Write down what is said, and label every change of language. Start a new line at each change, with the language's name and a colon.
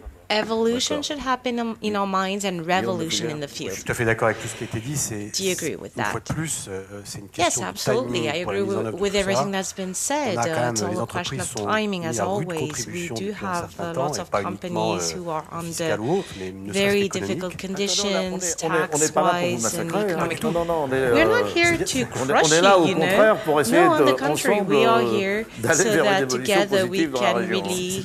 English: Evolution should happen in our minds and revolution in the field.
French: Je suis tout à fait d'accord avec tout ce qui a été dit.
English: Do you agree with that?
French: Une fois de plus, c'est une question de timing.
English: Yes, absolutely. I agree with everything that's been said.
French: On a quand même les entreprises sont mises à rude contribution depuis un certain temps, et pas uniquement fiscales ou autres, mais ne serait-ce qu'économiques.
English: Very difficult conditions, tax-wise and economic.
French: Non, non, non.
English: We're not here to crush you.
French: On est là au contraire pour essayer de ensemble d'aller vers une évolution positive dans la région.